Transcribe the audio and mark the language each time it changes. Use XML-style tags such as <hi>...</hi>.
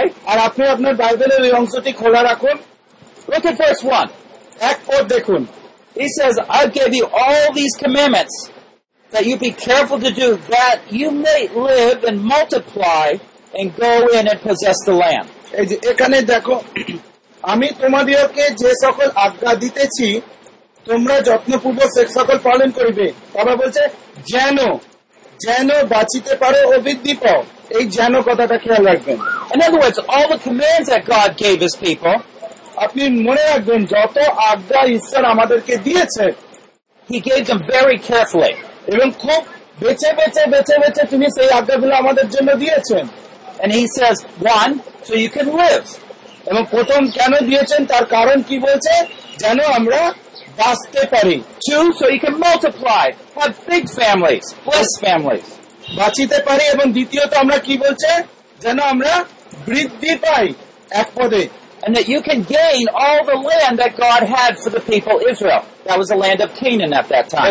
<bn>আর আপনি আপনার বাইবেলের এই অংশটি খোলা রাখুন.</bn> <en>Look at verse 1.</en> <bn>এক পদ দেখুন.</bn> <en>He says, I'll give you all these commandments that you be careful to do, that you may live and multiply and go in and possess the land.</en> <bn>এখানে দেখো, আমি তোমাদেরকে যে সকল আজ্ঞা দিতেছি তোমরা যত্নপূর্ব সেক্স সকল পালন করিবে, বাবা বলছে যেন যেন বাঁচিতে পারো ও বৃদ্ধি পাও, এই যেন কথাটা খেয়াল রাখবেন।</bn> <en>In other words, all the commands that God gave his people,</en> <bn>আপনি মনে রাখবেন যত আজ্ঞা ঈশ্বর আমাদেরকে দিয়েছে,</bn> <en>he gave them very carefully,</en> <bn>এবং খুব বেছে বেছে বেছে বেছে তিনি সেই আজ্ঞাগুলো আমাদের জন্য দিয়েছেন।</bn> <en>And he says, one, so you can live.</en> <bn>এবং প্রথম কেন দিয়েছেন তার কারণ কি বলছে, যেন আমরা বাঁচতে পারি।</bn> <en>Two, so you can multiply, have big families, bless families,</en> <bn>বাঁচিতে পারি। এবং দ্বিতীয়ত আমরা কি বলছে, যেন আমরা বৃদ্ধি পাই এক পদে।</bn> <en>And that you can gain all the land that God had for the people Israel. That was the land of Canaan at that time.</en>